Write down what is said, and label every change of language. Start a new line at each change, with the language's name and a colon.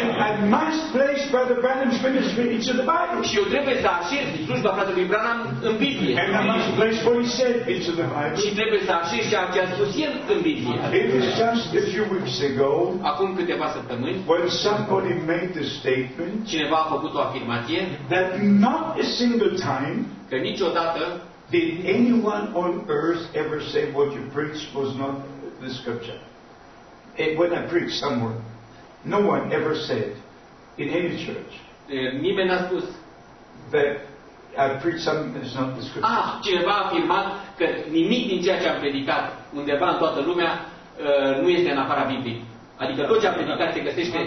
English: I must place Brother Branham's ministry into the Bible.
Romanian: Și eu trebuie să așez slujba fratelui Branham în Biblie.
English: And I must place what he said into the Bible.
Romanian: Și trebuie să așez ceea ce a spus el în Biblie.
English: It was just a few weeks ago.
Romanian: Acum câteva săptămâni.
English: When somebody made the statement.
Romanian: Cineva a făcut o afirmație.
English: That not a single time.
Romanian: Că niciodată.
English: Did anyone on earth ever say what you preached was not the scripture? And when I preached somewhere, no one ever said in any church
Romanian: nimeni n-a spus
English: that I preached something that is not the scripture.
Romanian: Ah, cineva a afirmat că nimic din ceea ce am predicat undeva în toată lumea nu este în afara Bibliei. Adică tot ce am predicat se găsește în